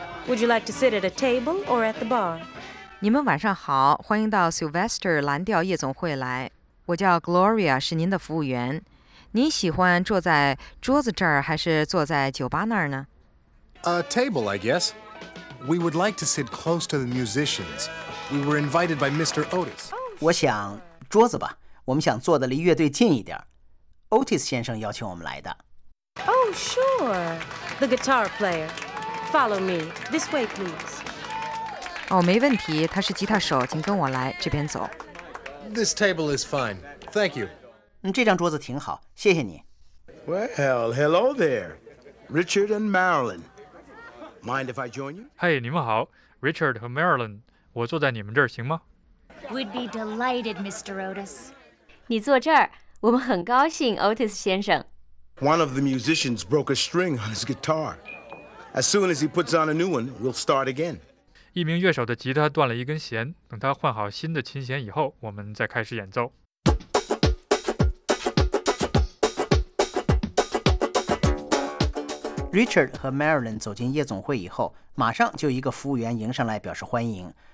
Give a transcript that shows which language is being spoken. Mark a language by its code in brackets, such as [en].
[en] Would you like to sit at a table or at the bar? [zh] 你们晚上好，欢迎到 Sylvester 蓝调夜总会来。我叫 Gloria， 是您的服务员。您喜欢坐在桌子这儿还是坐在酒吧那儿呢？ [en] A table, I guess. We would like to sit close to the musicians. We were invited by Mr. Otis. [zh] 我想桌子吧，我们想坐得离乐队近一点。 Otis 先生邀请我们来的。 [en] Oh, sure. The guitar player. Follow me. This way, please. [zh] 哦，没问题，他是吉他手，请跟我来，这边走。 [en] This table is fine. Thank you. [zh] 这张桌子挺好，谢谢你。 [en] Well, hello there, Richard and Marilyn. Mind if I join you? [zh] Hey, 你们好 ，Richard 和 Marilyn， 我坐在你们这儿行吗 [en] ？We'd be delighted, Mr. Otis. [zh] 你坐这儿，我们很高兴 ，Otis 先生。 [en] One of the musicians broke a string on his guitar. As soon as he puts on a new one, we'll start again. [zh] 一名乐手的吉他断了一根弦，等他换好新的琴弦以后，我们再开始演奏。 Richard 和 Marilyn 走进夜总会以后，马上就一个服务员迎上来表示欢迎。